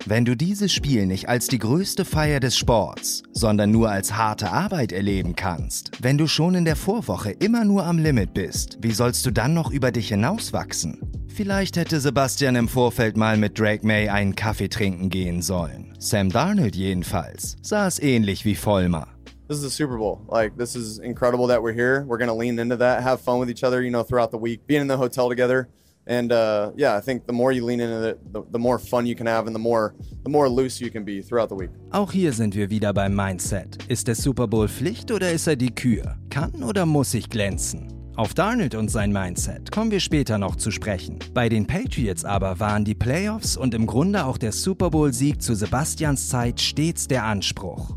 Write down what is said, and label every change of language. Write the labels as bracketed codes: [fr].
[de] Wenn du dieses Spiel nicht als die größte Feier des Sports, sondern nur als harte Arbeit erleben kannst, wenn du schon in der Vorwoche immer nur am Limit bist, wie sollst du dann noch über dich hinauswachsen? Vielleicht hätte Sebastian im Vorfeld mal mit Drake May einen Kaffee trinken gehen sollen. Sam Darnold jedenfalls sah es ähnlich wie Vollmer. [en] This is a Super Bowl. Like, this is incredible that we're here. We're going to lean into that, have fun with each other, you know, throughout the week, being in the hotel together. And yeah, I think the more you lean into it, the more fun you can have and the more loose you can be throughout the week. [de] Auch hier sind wir wieder beim Mindset. Ist der Super Bowl Pflicht oder ist er die Kür? Kann oder muss ich glänzen? Auf Darnold und sein Mindset kommen wir später noch zu sprechen. Bei den Patriots aber waren die Playoffs und im Grunde auch der Super Bowl-Sieg zu Sebastians Zeit stets der Anspruch.